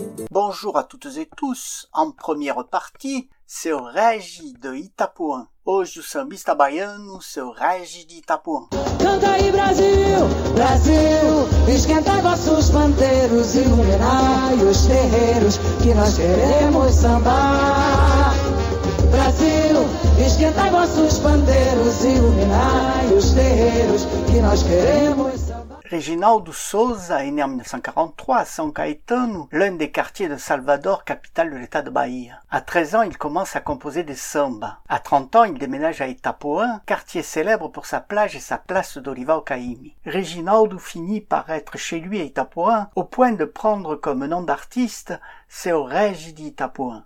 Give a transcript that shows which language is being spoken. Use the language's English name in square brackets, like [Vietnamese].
[French] Bonjour à toutes et tous. En première partie, c'est Régis de Itapuã. [Portuguese] Hoje, o sambista baiano, seu Régis de Itapuã. Canta aí, Brasil, Brasil, esquenta vossos panteiros, iluminai os terreiros que nós queremos sambar. Brasil, esquenta vossos panteiros, iluminai os terreiros que nós queremos sambar. [French] Reginaldo Souza est né en 1943 à São Caetano, l'un des quartiers de Salvador, capitale de l'état de Bahia. À 13 ans, il commence à composer des sambas. À 30 ans, il déménage à Itapuã, quartier célèbre pour sa plage et sa place d'Olival Caymmi. Reginaldo finit par être chez lui à Itapuã, au point de prendre comme nom d'artiste Seu Régis de Itapuã.